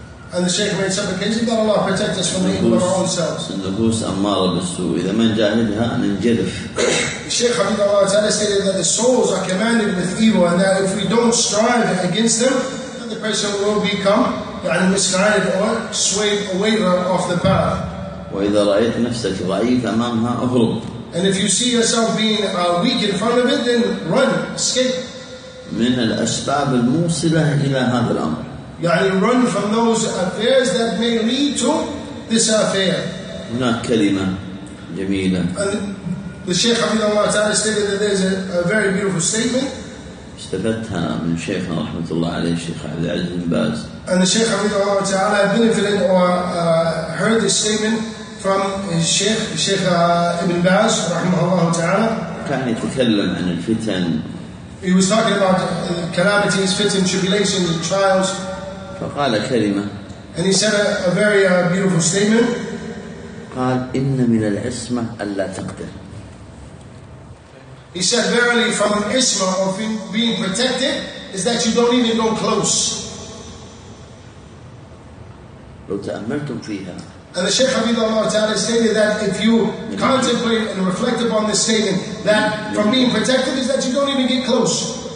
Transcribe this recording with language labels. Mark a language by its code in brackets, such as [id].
[en] And the Shaykh made supplication that Allah protect us from evil of our own selves. And the goose [ar] ammara bissu'. إذا ما نجاهدها أن ننجرف. [en] The Shaykh حفظه الله تعالى stated that the souls are commanded with evil and that if we don't strive against them, then the person will become يعني misguided or swayed away off the path. [ar] وإذا رأيت نفسك ضعيف أمامها أهرب. [en] And if you see yourself being weak in front of it, then run, escape. [ar] من الأسباب الموصلة إلى هذا الأمر. [en] يعني run from those affairs that may lead to this affair. [ar] هناك كلمة جميلة. [en] And the Shaykh حفظه الله تعالى stated that there's a very beautiful statement. [ar] استفدتها من شيخنا رحمة الله عليه الشيخ عبد العزيز بن باز. [en] And the Shaykh حفظه الله تعالى benefited or heard this statement from الشيخ ابن باز رحمه الله تعالى. [ar] كان يتكلم عن الفتن. [en] He was talking about calamities, fitting, tribulations, and trials. [ar] فقال كلمة. [en] And he said a very beautiful statement. [ar] قال إن من العصمة ألا تقدر. [en] He said, verily, from an isma of being protected is that you don't even go close. [ar] لو تأملتم فيها. [en] And the Shaykh حفظه الله تعالى stated that if you contemplate and reflect upon this statement, that from being protected is that you don't even get close.